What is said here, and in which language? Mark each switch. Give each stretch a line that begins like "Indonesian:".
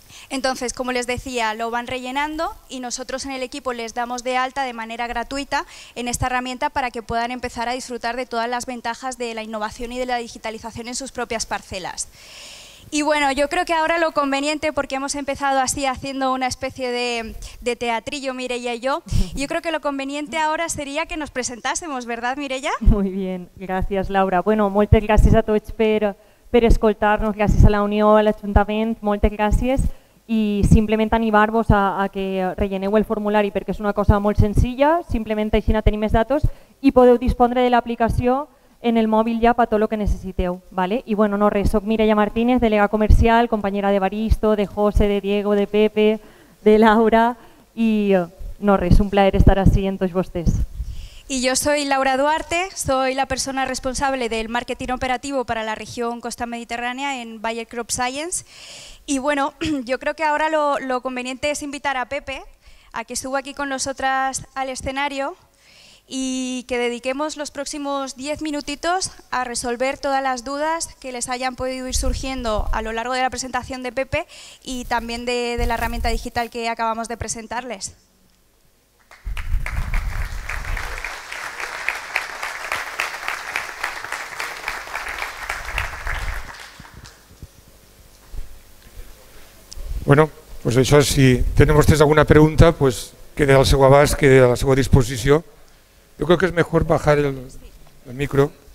Spanish: Entonces, como les decía, lo van rellenando y nosotros en el equipo les damos de alta de manera gratuita en esta herramienta para que puedan empezar a disfrutar de todas las ventajas de la innovación y de la digitalización en sus propias parcelas. Y bueno, yo creo que ahora lo conveniente, porque hemos empezado así haciendo una especie de teatrillo Mireia y yo creo que lo conveniente ahora sería que nos presentásemos, ¿verdad, Mireia? Muy bien, gracias Laura.
Catalan: Bueno, moltes
Spanish: gracias a todos
Catalan: per escoltar-nos, gràcies a la Unió, a l'Ajuntament, moltes gràcies i simplement animar-vos a que relleneu el formulari perquè és una cosa molt senzilla, simplement així a tenir més dades i podeu dispondre de l'aplicació en el mòbil ja per tot el que necessiteu. ¿Vale? I bueno, no res, soc Mireia Martínez, delega comercial, companyera de Baristo, de José, de Diego, de Pepe, de Laura i no res, un plaer estar així amb tots vostès.
Spanish: Y yo soy Laura Duarte, soy la persona responsable del marketing operativo para la región Costa Mediterránea en Bayer Crop Science. Y bueno, yo creo que ahora lo conveniente es invitar a Pepe a que suba aquí con nosotras al escenario y que dediquemos los próximos 10 minutitos a resolver todas las dudas que les hayan podido ir surgiendo a lo largo de la presentación de Pepe y también de la herramienta digital que acabamos de presentarles.
Catalan: Bueno, pues això, si tenen vostès alguna pregunta, pues queda al seu abast, queda a la seva disposició.
Spanish: Yo creo que es mejor bajar el micro.